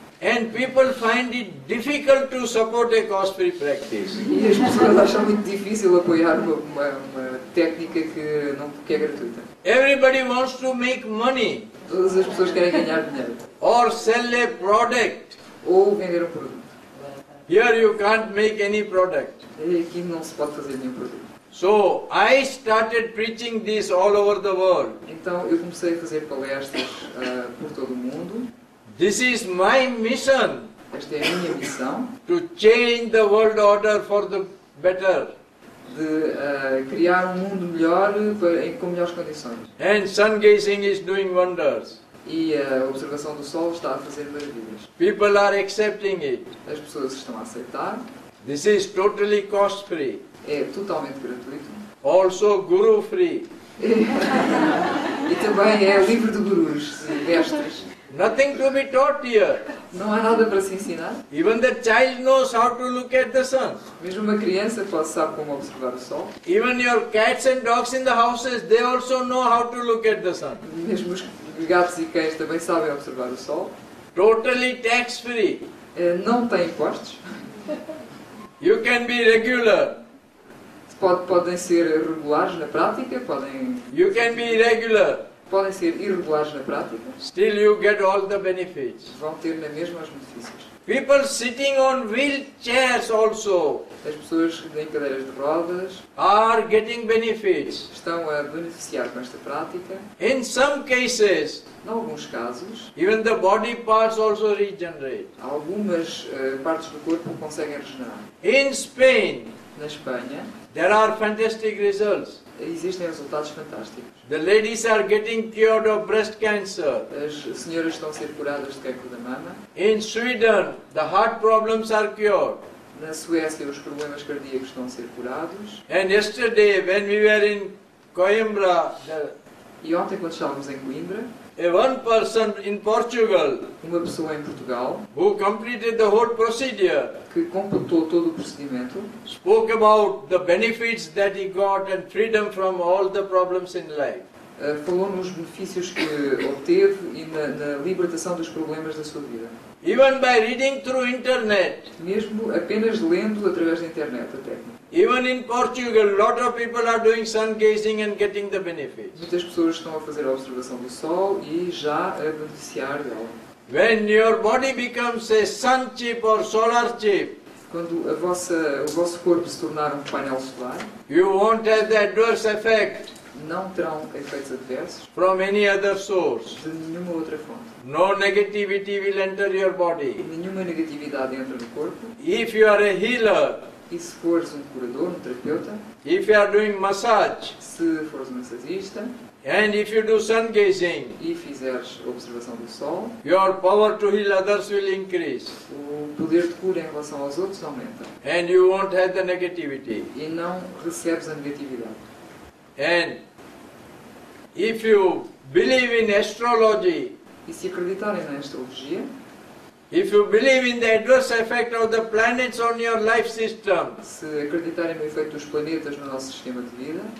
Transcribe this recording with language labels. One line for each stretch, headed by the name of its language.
English: And people find it difficult to support a cost-free practice.
Portuguese: E as pessoas acham muito difícil apoiar uma técnica que é gratuita.
English: Everybody wants to make money.
Portuguese: Todas as pessoas querem ganhar dinheiro.
English: Or sell a product.
Portuguese: Ou vender um produto.
English: Here you can't make any product.
Portuguese: Aqui não se pode fazer nenhum produto.
English: So I started preaching this all over the world.
Portuguese: Então eu comecei a fazer palestras por todo o mundo.
English: This is my mission.
Portuguese: Esta é a minha missão.
English: To change the world order for the better.
Portuguese: De criar um mundo melhor com melhores condições.
English: And sun gazing is doing wonders.
Portuguese: E a observação do sol está a fazer maravilhas.
English: People are accepting it.
Portuguese: As pessoas estão a aceitar.
English: This is totally cost-free.
Portuguese: É totalmente gratuito.
English: Also guru-free.
Portuguese: E também é livre de gurus, mestres.
English: Nothing to be taught here.
Portuguese: Não há nada para se ensinar.
English: Even the child knows how to look at the sun.
Portuguese: Mesmo uma criança pode saber como observar o sol.
English: Even your cats and dogs in the houses, they also know how to look at the sun.
Portuguese: Mesmo os gatos e cães também sabem observar o sol.
English: Totally tax free.
Portuguese: Não tem impostos.
English: You can be regular.
Portuguese: Podem ser regulares na prática.
English: You can be regular.
Portuguese: Podem ser irregulares na prática.
English: Still you get all the benefits.
Portuguese: Vão ter na mesma os benefícios.
English: People sitting on wheelchairs also.
Portuguese: As pessoas em cadeiras de rodas
English: are getting benefits.
Portuguese: Estão a beneficiar com esta prática.
English: In some cases,
Portuguese: em alguns casos,
English: even the body parts also regenerate.
Portuguese: Algumas partes do corpo conseguem regenerar.
English: In Spain,
Portuguese: na Espanha,
English: there are fantastic results.
Portuguese: Existem resultados fantásticos.
English: The ladies are getting cured of breast cancer.
Portuguese: As senhoras estão a ser curadas de cancro da mama.
English: In Sweden, the heart problems are cured.
Portuguese: Na Suécia, os problemas cardíacos estão a ser curados.
English: And yesterday, when we were in Coimbra,
Portuguese: e ontem, quando estávamos em Coimbra,
English: one person in Portugal,
Portuguese: uma pessoa em Portugal,
English: who completed the whole procedure,
Portuguese: que completou todo o procedimento,
English: spoke about the benefits that he got and freedom from all the problems in life.
Portuguese: Falou nos benefícios que obteve e na libertação dos problemas da sua vida.
English: Even by reading through internet,
Portuguese: mesmo apenas lendo através da internet, a técnica.
English: Even in Portugal, a lot of people are doing sun gazing and getting the benefits.
Portuguese: Muitas pessoas estão a fazer a observação do sol e já a beneficiar dela.
English: When your body becomes a sun chip or solar chip,
Portuguese: quando o vosso corpo se tornar um painel solar,
English: you won't have the adverse effect.
Portuguese: Não terão efeitos adversos.
English: From any other source.
Portuguese: De nenhuma outra fonte.
English: No negativity will enter your body.
Portuguese: Nenhuma negatividade entra no corpo.
English: If you are a healer.
Portuguese: E se fores um curador, um terapeuta.
English: If you are doing massage.
Portuguese: Se fores um massagista.
English: And if you do sun gazing.
Portuguese: E fizeres observação do sol.
English: Your power to heal others will increase.
Portuguese: O poder de cura em relação aos outros aumenta.
English: And you won't have the negativity.
Portuguese: E não recebes a negatividade.
English: And if you believe in astrology,
Portuguese: e se acreditarem na astrologia,
English: if you believe in the adverse effect of the planets on your life system,
Portuguese: se acreditarem no efeito dos planetas no nosso sistema de vida,